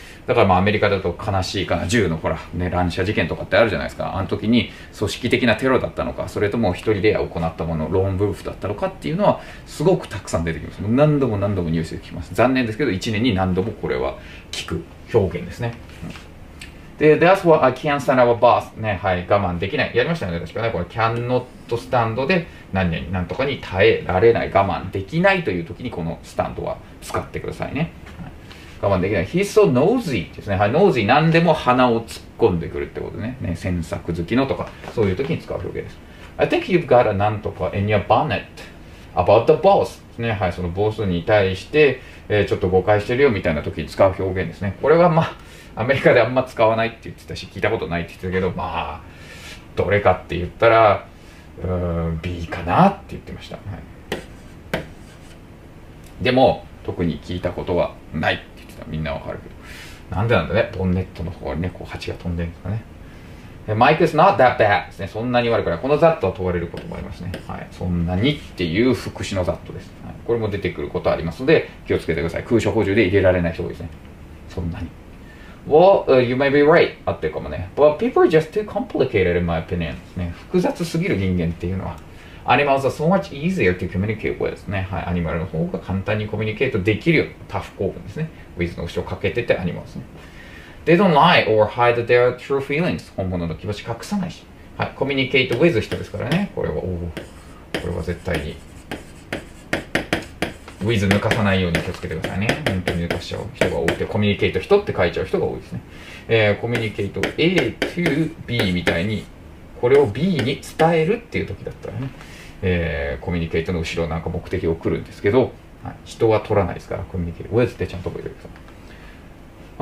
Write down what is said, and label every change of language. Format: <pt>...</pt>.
<ja>だからまあアメリカだと悲しいかな、銃のほら、ね、乱射事件とかってあるじゃないですか。あの時に組織的なテロだったのか、それとも一人で行ったもの、ローンウォーフだったのかっていうのはすごくたくさん出てきます。何度も何度もニュースで聞きます。残念ですけど、1年に何度もこれは聞く表現ですね。で、</ja> <en>That's why I can't stand our boss.</en> <ja>ね、はい、我慢できない。やりましたよね、確かね。これ、cannot stand で、何々、何とかに耐えられない、我慢できないという時に、この stand は使ってくださいね。我慢できない。</ja> <en>He's so nosy</en> <ja>ですね。はい、nosy、何でも鼻を突っ込んでくるってことね。ね、詮索好きのとか、そういう時に使う表現です。</ja> <en>I think you've got a</en> <ja>何とか</ja> <en>in your bonnet about the boss.</en> <ja>ね、はい、そのボスに対して、ちょっと誤解してるよみたいな時に使う表現ですね。これは、まあ、アメリカであんま使わないって言ってたし、聞いたことないって言ってたけど、まあどれかって言ったら、B かなって言ってました、はい、でも特に聞いたことはないって言ってた。みんなわかるけど、なんでなんだね、ボンネットの方にね、こう蜂が飛んでるんですかね。マイク</ja> <en>is not that bad</en> <ja>ですね。そんなに悪くない。このザットは問われることもありますね、はい、そんなにっていう副詞のザットです、はい、これも出てくることありますので気をつけてください。空所補充で入れられない人多いですね。そんなに</ja> <en>Well, you may be right.</en> <ja>あってるかもね。</ja> <en>But people are just too complicated in my opinion.、</en> <ja>ね、複雑すぎる人間っていうのは。</ja> <en>Animals are so much easier to communicate with.</en> <ja>ね。はい。アニマルの方が簡単にコミュニケートできるよ。タフ構文ですね。With の後ろをかけててアニマルですね。</ja> <en>They don't lie or hide their true feelings.</en> <ja>本物の気持ち隠さないし。はい。コミュニケート with 人ですからね。これは、おぉ。これは絶対に。ウィズ抜かさないように気をつけてくださいね。本当に抜かしちゃう人が多くて、コミュニケート人って書いちゃう人が多いですね。コミュニケート A to B みたいに、これを B に伝えるっていう時だったらね、コミュニケートの後ろなんか目的を送るんですけど、はい、人は取らないですから、コミュニケート。ウィズってちゃんと覚えてください。</ja>